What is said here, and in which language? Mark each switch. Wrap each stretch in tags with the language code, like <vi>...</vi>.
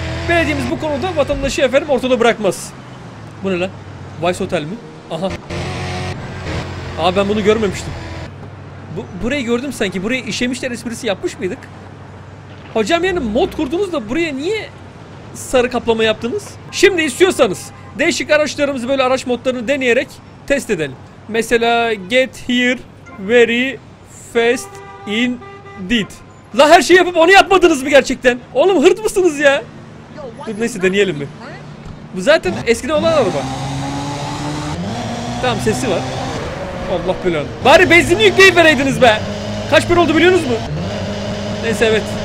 <tr>Belediyemiz bu konuda vatandaşı efendim ortada bırakmaz. Bu ne lan? Vice Hotel mi? Aha. Aa ben bunu görmemiştim. Burayı gördüm sanki. Burayı işemişler esprisi yapmış mıydık? Hocam yani mod kurdunuz da buraya niye sarı kaplama yaptınız? Şimdi istiyorsanız değişik araçlarımızı böyle araç modlarını deneyerek test edelim.</tr> <en>Mesela get here very fast indeed.</en> <tr>La her şeyi yapıp onu yapmadınız mı gerçekten? Oğlum hırt mısınız ya? Dur neyse deneyelim mi? Bu zaten eskiden olan araba. Tamam sesi var. Allah belanı. Bari benzinli yükleyip vereydiniz be. Kaç para oldu biliyorsunuz mu? Neyse evet.</tr>